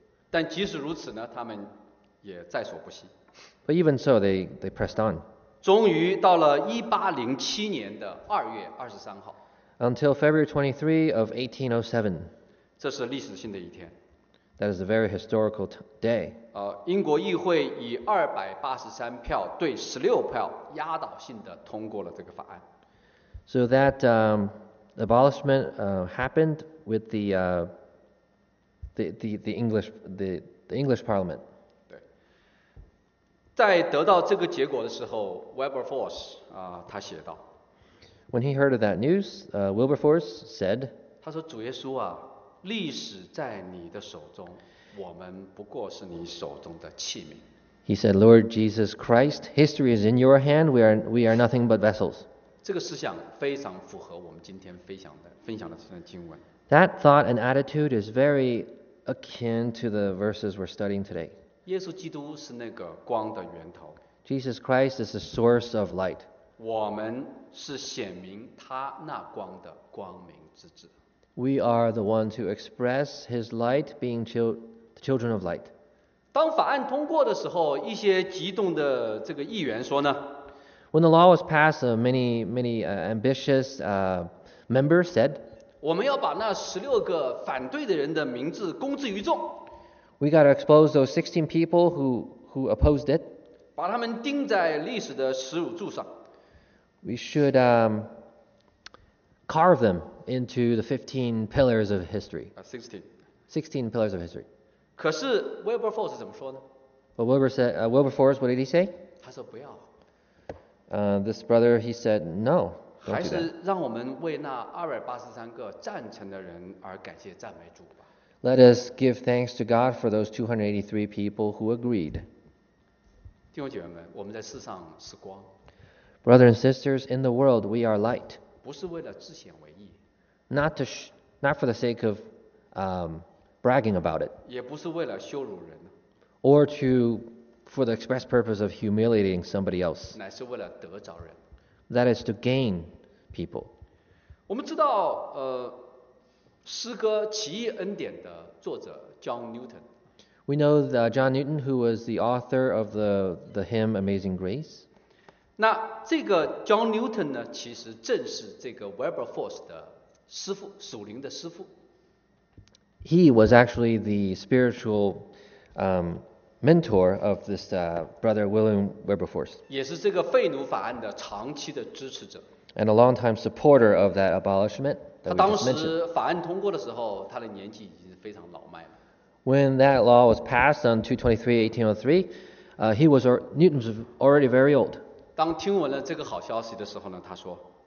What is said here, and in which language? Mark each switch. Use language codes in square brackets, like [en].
[zh] 但即使如此呢，他们也在所不惜。 [en] But even so, they pressed on. [zh] 终于到了1807年的2月23号。 [en] Until February 23 of 1807. [zh] 这是历史性的一天。 [en] That is a very historical day. [zh] 英国议会以283票对16票压倒性的通过了这个法案。 [en] So that abolishment happened with the English Parliament. [zh] 在得到这个结果的时候 ，Wilberforce 他写道 [en] ：“When he heard of that news, Wilberforce said， [zh] 他说主耶稣啊，历史在你的手中，我们不过是你手中的器皿。 [en] ”He said, "Lord Jesus Christ, history is in your hand. We are nothing but vessels." [zh] 这个思想非常符合我们今天分享的这段经文。 [en] That thought and attitude is very akin to the verses we're studying today. [zh] 耶稣基督是那个光的源头。 [en] Jesus Christ is the source of light. [zh] 我们是显明他那光的光明之子。 [en] We are the one to express his light, being the children of light. [zh] 当法案通过的时候，一些激动的这个议员说呢 [en] ？When the law was passed, many ambitious members said, [zh] 我们要把那十六个反对的人的名字公之于众。 [en] We got to expose those 16 people who opposed it. [zh] 把他们钉在历史的耻辱柱上。 [en] We should carve them into the 15 pillars of history. 16 pillars of history. [zh] 可是 Wilberforce 怎么说呢 [en] ？But Wilberforce, what did he say? [zh] 他说不要。 [en] This brother, he said, no. [zh] 还是让我们为那283个赞成的人而感谢赞美主。 [en] Let us give thanks to God for those 283 people who agreed. [zh] 弟兄姐妹们，我们在世上是光。 [en] Brothers and sisters, in the world we are light. [zh] 不是为了自显为义。 [en] Not for the sake of bragging about it. [zh] 也不是为了羞辱人。 [en] Or for the express purpose of humiliating somebody else. [zh] 乃是为了得着人。 [en] That is to gain people. [zh] 我们知道诗歌《奇异恩典》的作者 John Newton。 [en] We know John Newton, who was the author of the hymn Amazing Grace. [zh] 那这个 John Newton 呢，其实正是这个 Wilberforce 的师父，属灵的师父。 [en] He was actually the spiritual mentor of this brother William Wilberforce. [zh] 也是这个废奴法案的长期的支持者。 [en] And a long-time supporter of that abolishment. [zh] 他当时法案通过的时候，他的年纪已经非常老迈了。 [en] When that law was passed on 2/23/1803, Newton was already very old. [zh] 当听闻了这个好消息的时候呢，他说